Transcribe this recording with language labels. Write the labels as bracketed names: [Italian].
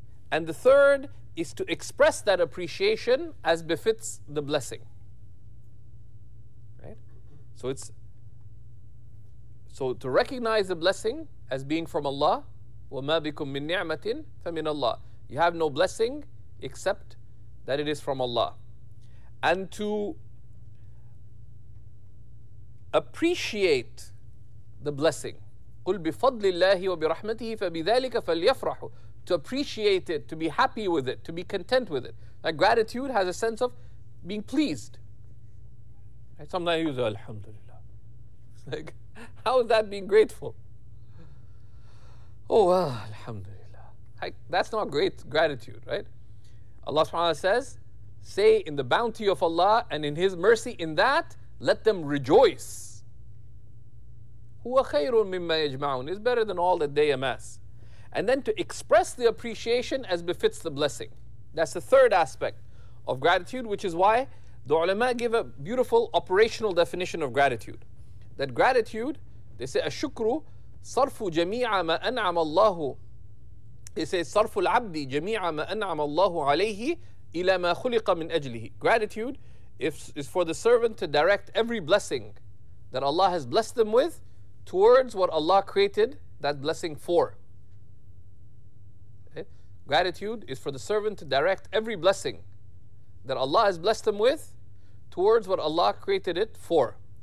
[English] And the third is to express that appreciation as befits the blessing. So it's to recognize the blessing as being from Allah, [Arabic] وَمَا بِكُم مِّن نِّعْمَةٍ فَمِنَ اللَّهِ. [English] You have no blessing except that it is from Allah. And to appreciate the blessing, [Arabic] قُلْ بِفَضْلِ اللَّهِ وَبِرَحْمَتِهِ فَبِذَلِكَ فَلْيَفْرَحُ. [English] To appreciate it, to be happy with it, to be content with it. Like gratitude has a sense of being pleased. Sometimes you say, Alhamdulillah. Like, how is that being grateful? Oh, well, Alhamdulillah. That's not great gratitude, right? Allah subhanahu wa ta'ala says, say in the bounty of Allah and in His mercy, in that, let them rejoice. [Arabic] هُوَ خَيْرٌ مِمَّا يَجْمَعُونَ. [English] It's better than all that they amass. And then to express the appreciation as befits the blessing. That's the third aspect of gratitude, which is why the ulama give a beautiful operational definition of gratitude. That gratitude, they say, [Arabic] أَشُكْرُ صَرْفُ جَمِيعَ مَا أَنْعَمَ اللَّهُ. [English] They say, [Arabic] صَرْفُ الْعَبْدِ جَمِيعَ مَا أَنْعَمَ اللَّهُ عَلَيْهِ إِلَى مَا خُلِقَ مِنْ أَجْلِهِ. [English] Gratitude is for the servant to direct every blessing that Allah has blessed them with towards what Allah created that blessing for. Gratitude is for the servant to direct every blessing that Allah has blessed them with towards what Allah created it for.